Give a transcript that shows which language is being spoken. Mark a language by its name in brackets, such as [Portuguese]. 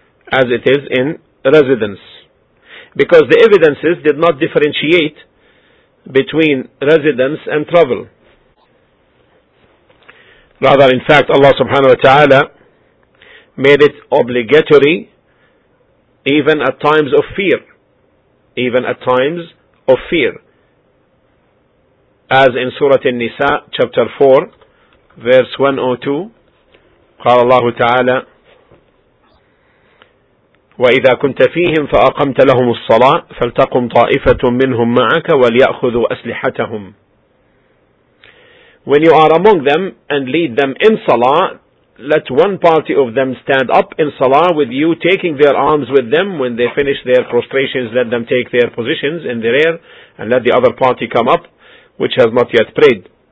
[English] As it is in residence. Because the evidences did not differentiate between residence and travel. Rather, in fact, Allah subhanahu wa ta'ala made it obligatory even at times of fear. Even at times of fear. As in Surah An-Nisa, chapter 4, verse 102, [Arabic] قال الله تعالى وإذا كنت فيهم فأقمت لهم الصلاة فلتقم طائفة منهم معك وليأخذوا أسلحتهم. [English] When you are among them and lead them in salah, let one party of them stand up in salah with you, taking their arms with them. When they finish their prostrations, let them take their positions in the rear, and let the other party come up which has not yet prayed.